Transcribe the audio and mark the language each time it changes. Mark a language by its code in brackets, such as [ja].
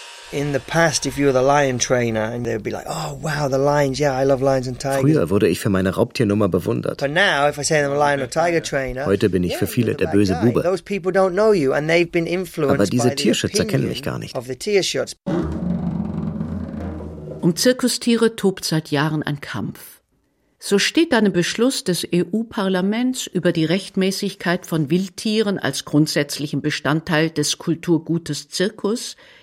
[en] In the past, if you were the lion trainer, and they'd be like, oh wow, the lions, yeah, I love lions and tigers. [de] Früher wurde ich für meine Raubtiernummer bewundert. [en] But now, if I say I'm a lion or tiger trainer, [de] heute bin ich für viele der böse Bube. [en] Those people don't know you, and they've been influenced. [de] Aber diese Tierschützer kennen mich gar nicht. [en] Of the Tierschutz. [de] Um Zirkustiere tobt seit Jahren ein Kampf. So steht dann im Beschluss des EU-Parlaments über die Rechtmäßigkeit von Wildtieren als grundsätzlichen Bestandteil des Kulturgutes Zirkus.